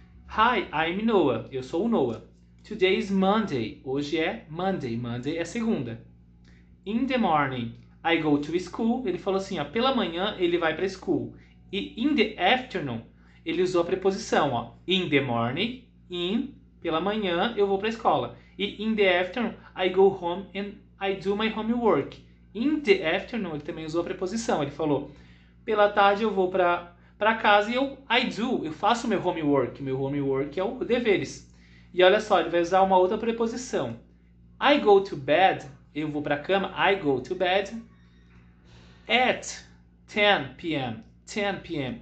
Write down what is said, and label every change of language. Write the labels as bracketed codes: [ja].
[en] Hi, I'm Noah, [pt] eu sou o Noah. [en] Today is Monday, [pt] hoje é Monday, Monday é segunda. [en] In the morning, I go to school, [pt] ele falou assim, ó, pela manhã ele vai pra school. E [en] in the afternoon, [pt] ele usou a preposição, ó, [en] in the morning, [pt] pela manhã eu vou pra escola. [en] E in the afternoon, I go home and I do my homework. In the afternoon, [pt] ele também usou a preposição. Ele falou: pela tarde eu vou para casa e eu faço meu homework. Meu homework é o deveres. E olha só, ele vai usar uma outra preposição. [en] I go to bed, [pt] eu vou para cama. [en] I go to bed at 10 p.m. 10 p.m.